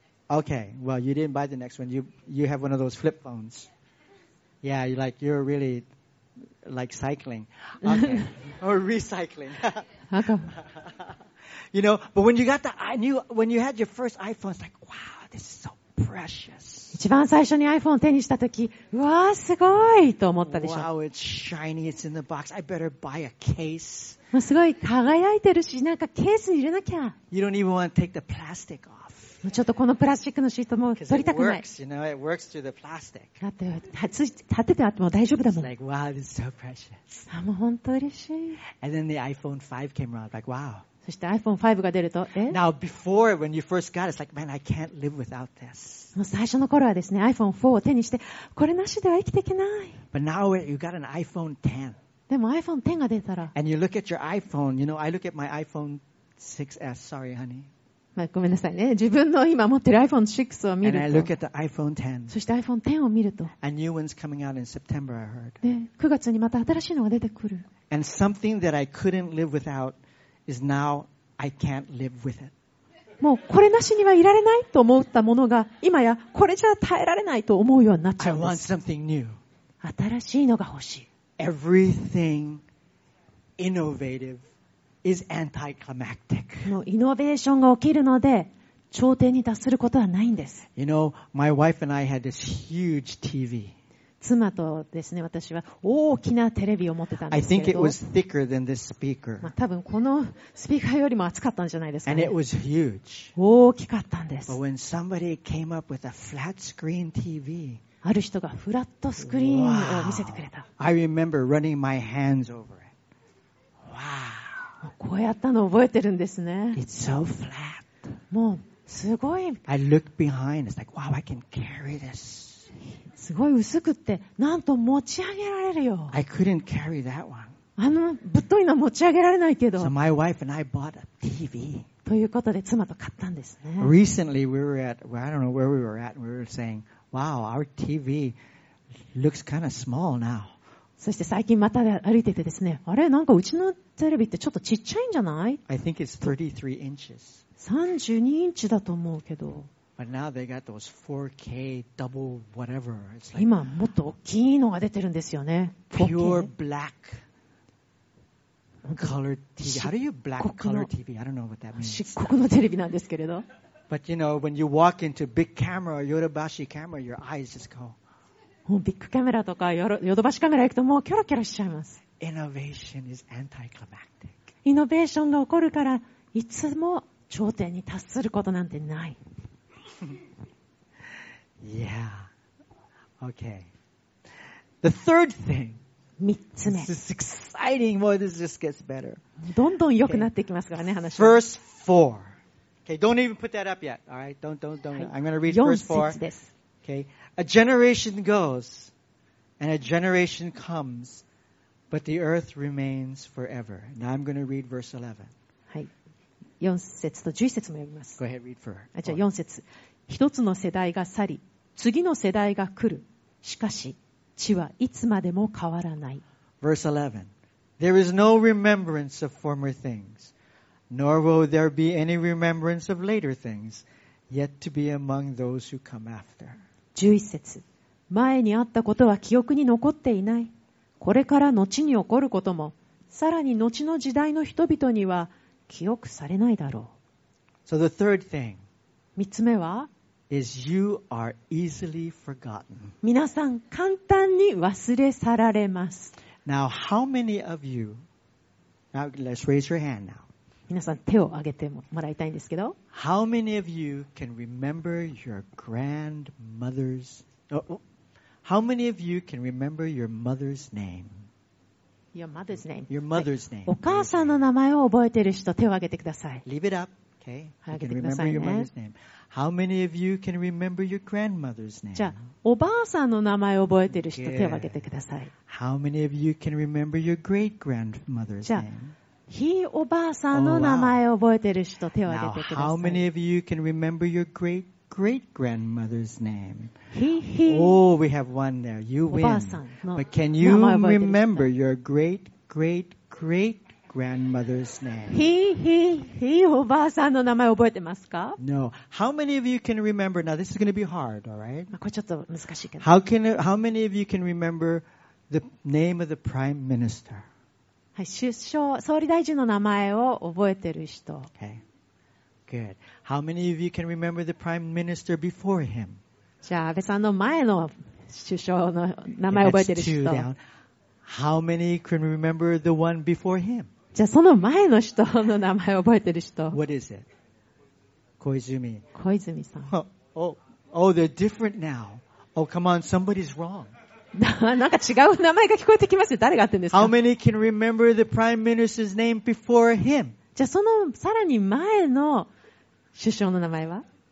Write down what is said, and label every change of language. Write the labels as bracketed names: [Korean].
[English] Okay, well, you didn't buy the next one. You have one of those flip phones. Yeah, you're really like cycling. Okay. Or recycling. How come? You know, but when you got the new, when you had your first iPhone, it's like, wow, this is so precious. [Japanese] 一番最初に iPhone を手にしたとき、うわーすごいと思ったでしょ。 [English] Wow, it's shiny, it's in the box. I better buy a case. [Japanese] すごい輝いてるし、なんかケースに入れなきゃ。 [English] You don't even want to take the plastic off. [Japanese] ちょっとこのプラスチックのシートも取りたくない。 [English] Because it works, you know, it works through the plastic. [Japanese] だって、立ててあっても大丈夫だもん。 [English] It's like, wow, this is so precious. [Japanese] あ、もう本当嬉しい。 [English] And then the iPhone 5 came around, like, wow. [Japanese] そして iPhone5 が出ると、え? [English] Now before when you first got it, it's like, man, I can't live without this. [Japanese] 最初の頃はですね、iPhone4 を手にして、これなしでは生きていけない。 [English] But now you got an iPhone 10. [Japanese] でも iPhone10 が出たら。 [English] And you look at your iPhone, you know, I look at my iPhone 6S, sorry, honey. [Japanese] まあ、ごめんなさいね。自分の今持ってる iPhone 6を見ると。 [English] And I look at the iPhone 10. [Japanese] そして iPhone10 を見ると。 [English] A new one's coming out in September, I heard. [Japanese] で、9月にまた新しいのが出てくる。 [English] And something that I couldn't live without,is now I can't live with it. [Japanese] もうこれなしにはいられないと思ったものが今やこれじゃ耐えられないと思うようになっちゃうんです。 [English] I want something new. [Japanese] 新しいのが欲しい。 [English] Everything innovative is anticlimactic. [Japanese] もうイノベーションが起きるので頂点に達することはないんです。 [English] You know, my wife and I had this huge TV. [Japanese] 妻とですね、私は大きなテレビを持ってたんですけど。 [English] I think it was thicker than this speaker. [Japanese] まあ多分このスピーカーよりも厚かったんじゃないですかね。 [English] And it was huge. [Japanese] 大きかったんです。 [English] But when somebody came up with a flat screen TV, [Japanese] ある人がフラットスクリーンを見せてくれた。 [English] Wow. I remember running my hands over it. Wow. [Japanese] こうやったの覚えてるんですね。 [English] It's so flat. [Japanese] もうすごい。 [English] I look behind. It's like, wow, I can carry this. [Japanese] すごい薄くってなんと持ち上げられるよ。 [English] I couldn't carry that one. [Japanese] あのぶっといのは持ち上げられないけど。 [English] So my wife and I bought a TV. [Japanese] ということで妻と買ったんですね。 [English] Recently we were at, well, I don't know where we were at, and we were saying, wow, our TV looks kind of small now. [Japanese] そして最近また歩いててですね、あれなんかうちのテレビってちょっとちっちゃいんじゃない [English] ？I think it's 33 inches. [Japanese] 32インチだと思うけど。 [English] But now they got those 4K double whatever. It's [Japanese] like, 今もっと大きいのが出てるんですよね。 [English] Pure black color TV. How do you black color TV? I don't know what that means. [Japanese] 漆黒のテレビなんですけれど。 [English] But you know, when you walk into big camera, Yodobashi camera, your eyes just go. [Japanese] もうビッグカメラとかヨドバシカメラ行くともうキョロキョロしちゃいます。 [English] Innovation is anticlimactic. [Japanese] イノベーションが起こるからいつも頂点に達することなんてない。 [English] Yeah. Okay. The third thing. [Japanese] 三つ目. [English] This is exciting. Boy, this just gets better. [Japanese] どんどん良くなっていきますからね、話は。 [English] First four. Okay, don't even put that up yet. All right, don't.、はい、I'm going to read verse four. [Japanese] 四節です。 [English] Okay. A generation goes, and a generation comes, but the earth remains forever. Now I'm going to read verse 11. [Japanese] 4節と11節も読みます。 [English] Go ahead, read for her. [Japanese] あ、じゃあ4節。一つの世代が去り、次の世代が来る。しかし、地はいつまでも変わらない。 [English] Verse 11. There is no remembrance of former things, nor will there be any remembrance of later things, yet to be among those who come after. [Japanese] 11節。前にあったことは記憶に残っていない。これから後に起こることも、さらに後の時代の人々には、記憶されないだろう。 [English] So the third thing, [Japanese] 三つ目は、 [English] is you are easily forgotten. [Japanese] 皆さん簡単に忘れ去られます。 [English] Now, how many of you? Now, let's raise your hand now. [Japanese] 皆さん手を挙げてもらいたいんですけど。 [English] How many of you can remember your grandmother's? How many of you can remember your mother's name? Your mother's name. Your mother's name. [Japanese] お母さんの名前を覚えている人手を挙げてください。 [English] Leave it up. Okay. You can remember your mother's name. How many of you can remember your grandmother's name? [Japanese] じゃあおばあさんの名前を覚えている人手を挙げてください。 [English] How many of you can remember your great grandmother's name? [Japanese] ひいおばあさんの名前を覚えてる人手を挙げてください。 [English] How many of you can remember your great great grandmother's name? [Japanese] ひ [English] い。Oh, we have one there. You win. But can you remember your great great great grandmother's name? [Japanese] ひいおばあさんの名前覚えてますか [English] ？No. How many of you can remember? Now this is going to be hard, all right? [Japanese] これちょっと難しいけど。 [English] How many of you can remember the name of the prime minister? [Japanese] はい、首相、総理大臣の名前を覚えてる人。 [English] Okay. Good. How many of you can remember the prime minister before him? [Japanese] じゃあ、安倍さんの前の首相の名前を覚えてる人。 [English] That's two down. How many can remember the one before him? [Japanese] じゃあ、その前の人の名前を覚えてる人。 [English] What is it? [Japanese] 小泉さん。 [English] Oh, they're different now. Oh, come on, somebody's wrong. [Japanese] なんか違う名前が聞こえてきますね。誰が言ってんですか [English] ？How many can remember the prime minister's name before him? [Japanese] じゃあそのさらに前の首相の名前は？